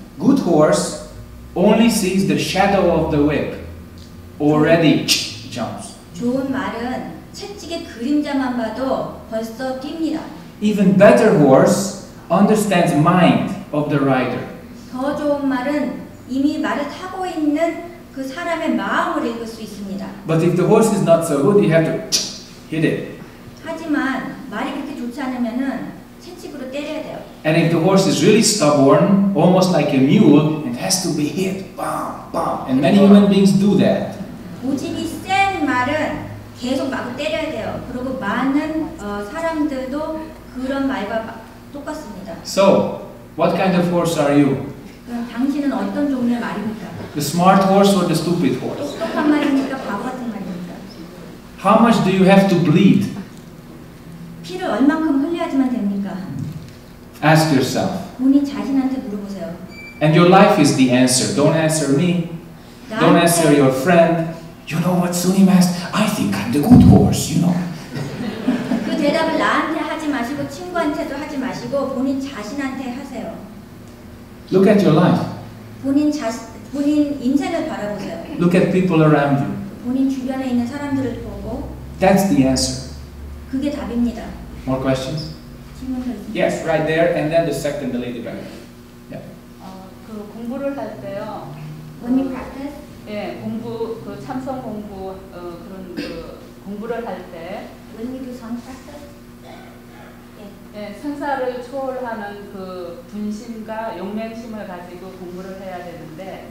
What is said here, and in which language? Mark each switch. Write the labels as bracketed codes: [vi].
[en] Good horse only sees the shadow of the whip. Already jumps. [ko] 좋은 말은 채찍의 그림자만 봐도 벌써 뜁니다. [en] Even better horse understands mind of the rider. [ko] 더 좋은 말은 이미 말을 타고 있는 그 사람의 마음을 읽을 수 있습니다. [en] But if the horse is not so good, you have to hit it. [ko] 하지만 말이 그렇게 좋지 않으면은 채찍으로 때려야 돼요. [en] And if the horse is really stubborn, almost like a mule, it has to be hit, bam, bam. And many human beings do that. [ko] 고집이 센 말은 계속 마구 때려야 돼요. 그리고 많은 사람들도 그런 말과 똑같습니다. [en] So, what kind of horse are you? [ko] 그럼 당신은 어떤 종류의 말입니까? [en] The smart horse or the stupid horse? [ko] 똑똑한 말입니까? 바보 같은 말입니까? [en] How much do you have to bleed? [ko] 피를 얼만큼 흘려야지만 됩니까? [en] Ask yourself. [ko] 본인 자신한테 물어보세요. [en] And your life is the answer. Don't answer me. Don't answer your friend. You know what, Sunim asked? I think I'm the good horse, you know. [ko] 그 대답을 나한테 하지 마시고 친구한테도 하지 마시고 본인 자신한테 하세요. [en] Look at your life. [ko] 본인 인생을 바라보세요. [en] Look at people around you. [ko] 본인 주변에 있는 사람들을 보고. [en] That's the answer. [ko] 그게 답입니다. [en] More questions? Yes, right there, and then the second, the lady back. Yeah. [ko] 그 공부를 할 때요. [en] When you practice? [ko] 예, 공부 그 참성 공부 그런 그 공부를 할 때. [en] When you do some practice? [ko] 예, 생사를 초월하는 그 분심과 용맹심을 가지고 공부를 해야 되는데.